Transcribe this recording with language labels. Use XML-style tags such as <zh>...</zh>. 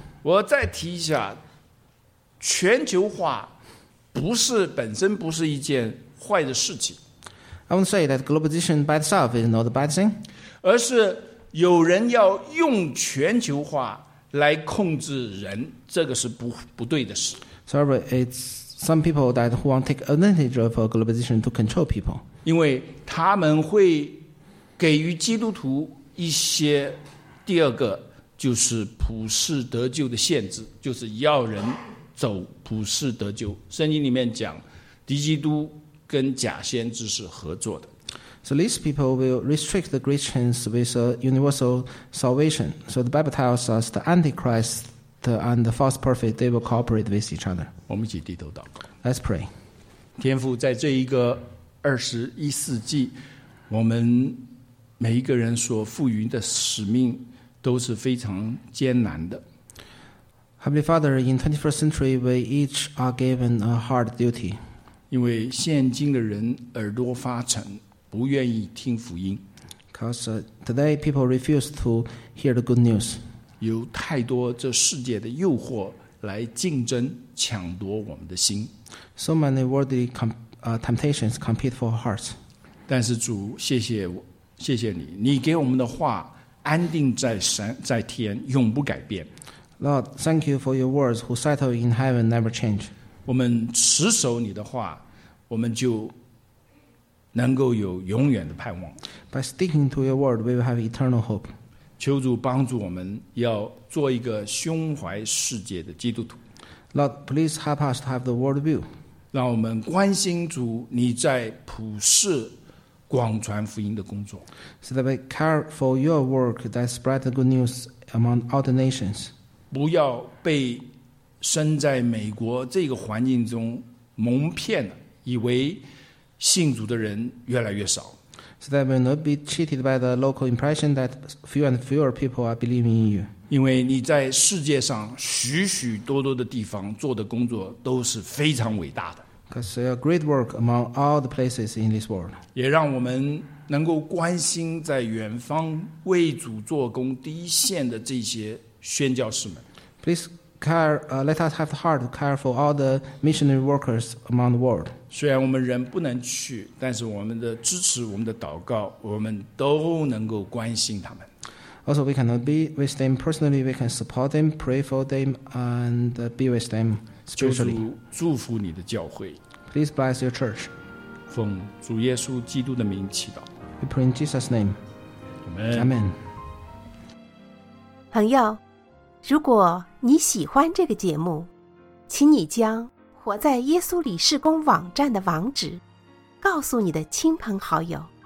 <zh>我再提一下，全球化不是本身不是一件坏的事情。</zh> <en>I want to say that globalization by itself is not a bad thing.</en> <zh>而是有人要用全球化来控制人，这个是 不对的事。</zh> <en>Sorry, it's some people that who want to take advantage of globalization to control people.</en> <zh>因为他们会给予基督徒一些第二个就是普世得救的限制，就是要人走普世得救。圣经里面讲敌基督跟假先知是合作的。</zh> <en>So these people will restrict the Christians with a universal salvation. So the Bible tells us the Antichrist and the false prophet, they will cooperate with each other.</en> <zh>我们一起低头祷告。</zh> <en>Let's pray.</en> <zh>天父，在这一个21世纪，我们每一个人所赋予的使命都是非常艰难的。</zh> <en>Heavenly Father, in 21st century, we each are given a hard duty.</en> <zh>因为现今的人耳朵发沉，不愿意听福音。</zh> <en>Because today people refuse to hear the good news.</en> <zh>有太多这世界的诱惑来竞争抢夺我们的心。</zh> <en>So many worldly temptations compete for our hearts.</en> <zh>但是主，谢谢你，你给我们的话安定在天，永不改变。</zh> <en>Lord, thank you for your words who settle in heaven never change.</en> <zh>我们持守你的话，我们就能够有永远的盼望。</zh> <en>By sticking to your word, we will have eternal hope.</en> <zh>求主帮助我们要做一个胸怀世界的基督徒。</zh> <en>Lord, please help us to have the world view.</en> <zh>让我们关心主你在普世广传福音的工作。</zh> <en>So that we care for your work that spread the good news among all the nations.</en> <zh>不要被身在美国这个环境中蒙骗了，以为信主的人越来越少。</zh> <en>So that we will not be cheated by the local impression that fewer and fewer people are believing in you.</en> <zh>因为你在世界上许许多多的地方做的工作都是非常伟大的。</zh> <en>Because you are great work among all the places in this world.</en> <zh>也让我们能够关心在远方为主做工第一线的这些宣教士们。</zh> <en>Please let us have the heart to care for all the missionary workers among the world.</en> <zh>虽然我们人不能去，但是我们的支持、我们的祷告，我们都能够关心他们。</zh> <en>Also, we cannot be with them personally. We can support them, pray for them, and be with them spiritually.</en> <zh>求主祝福你的教会。</zh> <en>Please bless your church.</en> <zh>奉主耶稣基督的名祈祷。</zh> <en>We pray in Jesus' name. Amen. Amen.</en> <zh>朋友，如果你喜欢这个节目，请你将活在耶稣里事工网站的网址告诉你的亲朋好友。</zh>